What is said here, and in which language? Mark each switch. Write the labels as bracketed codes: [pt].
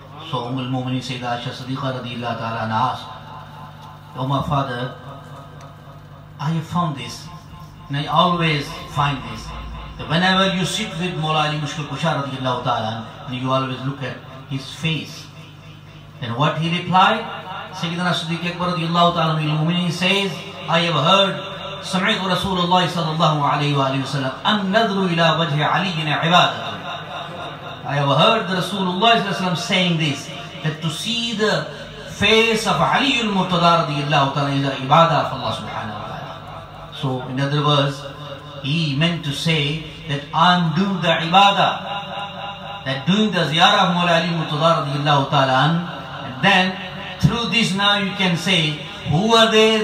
[en] So Ummul Mumineen Sayyidina Aisha Siddiqa radiallahu ta'ala asked, "Oh my father, I have found this, and I always find this, that whenever you sit with Mawla Ali Mushkil Kusha radiallahu ta'ala, and you always look at his face." And what he replied? Sayyidina Siddiq Akbar radiallahu ta'ala Ummul Mumineen says, "I have heard [ar] سمعت رسول الله صلى الله عليه وآله وسلم النظر إلى وجه علي عبادة." [en] I have heard رسول الله صلى الله عليه وسلم saying this, that to see the face of علي المرتضى رضي الله تعالى is the ibadah of Allah سبحانه وتعالى. So in other words, he meant to say that I'm doing the ibadah, that doing the ziyarah of مولى علي المرتضى رضي الله تعالى, and then through this now you can say, who are they?